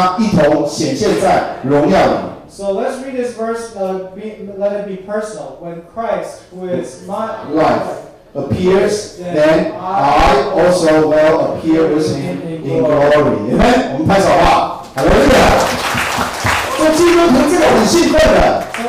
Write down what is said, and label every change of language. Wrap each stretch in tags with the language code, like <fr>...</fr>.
<zh>啊，请大家前面这句宝贵的话。基督是我们的生命，他显现的时候，我们也要与他一同显现在荣耀里。So</zh> <en>let's read this verse. Let it be personal. When Christ, who is my life, appears, then I also will appear with him in glory. Amen.</en> <zh>我们拍手吧，哈利路亚！做基督徒这个很兴奋的。</zh>